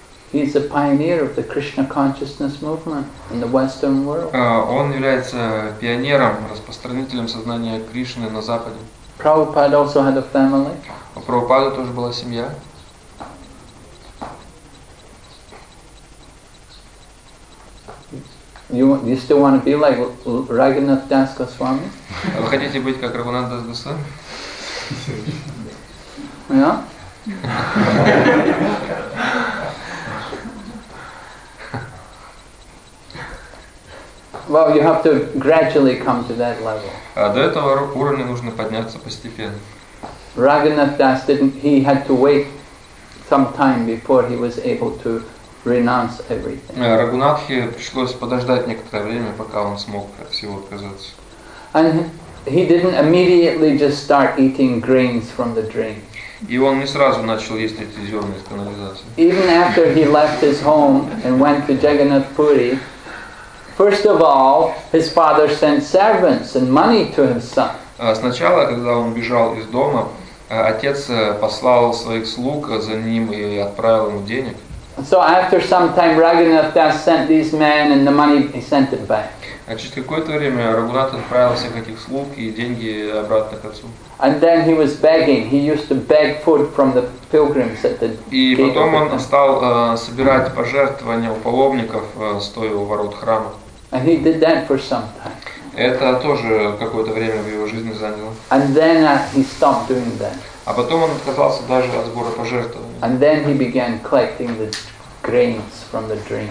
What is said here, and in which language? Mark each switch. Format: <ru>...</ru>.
<en>He's a pioneer of the Krishna consciousness movement in the Western world.</en> <ru>Он является пионером, распространителем сознания Кришны на Западе.</ru> <en>Prabhupada also had a family.</en> <ru>У Прабхупады тоже была семья.</ru> <en>You still want to be like Raghunath Das Goswami?</en> <ru>Вы хотите быть как Рагунат Дас Госвами?</ru> <en>Yeah. Well, you have to gradually come to that level.</en> <ru>До этого уровня нужно подняться постепенно.</ru> <en>Raghunath Das didn't. He had to wait some time before he was able to renounce everything.</en> <ru>Рагунатхе пришлось подождать некоторое время, пока он смог от всего отказаться.</ru> <en>And he didn't immediately just start eating grains from the drain.</en> <ru>И он не сразу начал есть эти зерна из канализации.</ru> <en>Even after he left his home and went to Jagannath Puri, first of all, his father sent servants and money to his son.</en> <ru>Сначала, когда он бежал из дома, отец послал своих слуг за ним и отправил ему денег.</ru> <en>So after some time, Raghunath Das sent these men and the money he sent it back.</en> <ru>А через какое-то время Рагунат отправил всех этих слуг и деньги обратно к отцу.</ru> <en>And then he was begging. He used to beg food from the pilgrims at the.</en> <ru>И потом он стал собирать пожертвования у паломников, стоя у ворот храма.</ru> <en>And he did that for some time.</en> <ru>Это тоже какое-то время в его жизни заняло.</ru> <en>And then he stopped doing that.</en> <ru>А потом он отказался даже от сбора пожертвований.</ru> <en>And then he began collecting the grains from the drain.</en>